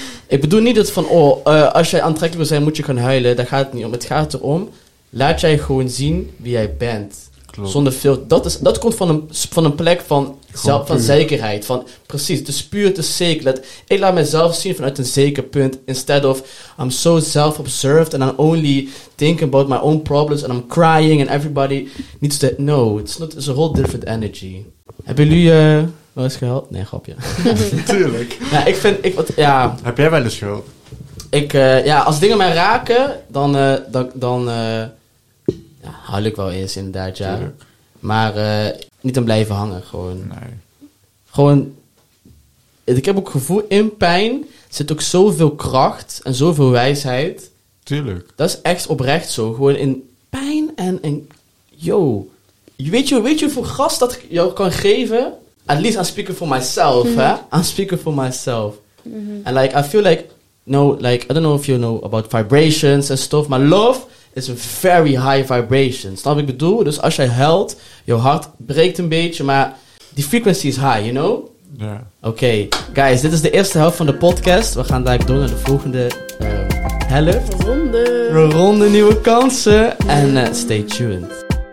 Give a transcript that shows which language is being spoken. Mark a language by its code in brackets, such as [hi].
[nl] Ik bedoel niet dat van, oh, als jij aantrekkelijk wil zijn, moet je gaan huilen. Daar gaat het niet om. Het gaat erom, laat jij gewoon zien wie jij bent. Klopt. Zonder veel. Dat komt van een plek van, zelf, van zekerheid. Van, precies, het is puur, het is zeker. Ik laat mezelf zien vanuit een zeker punt. [en] Instead of, I'm so self-observed and I'm only thinking about my own problems and I'm crying and everybody needs to know. It's a whole different energy. [nl] Hebben jullie wel eens gehuild? Nee, grapje. Tuurlijk. Ja, ik vind, ik, wat, ja. Heb jij wel eens gehuild? Ik, ja, als dingen mij raken, dan huil ik wel eens inderdaad, ja. Tuurlijk. Maar niet aan blijven hangen, gewoon. Nee. Gewoon, ik heb ook gevoel, in pijn zit ook zoveel kracht en zoveel wijsheid. Tuurlijk. Dat is echt oprecht zo, gewoon in pijn en yo. Weet je hoeveel gas dat jou kan geven? [en] At least I'm speaking for myself, [nl] hè. [en] I'm speaking for myself. Mm-hmm. And like, I feel like, no, like, I don't know if you know about vibrations and stuff, maar love is a very high vibration. [nl] Snap ik bedoel? Dus als jij huilt, je hart breekt een beetje, maar die [en] frequency is high, you know? [nl] Ja. Yeah. Oké, okay. Guys, dit is de eerste helft van de podcast. We gaan daar door naar de volgende helft. Ronde. Ronde nieuwe kansen. En [en] stay tuned.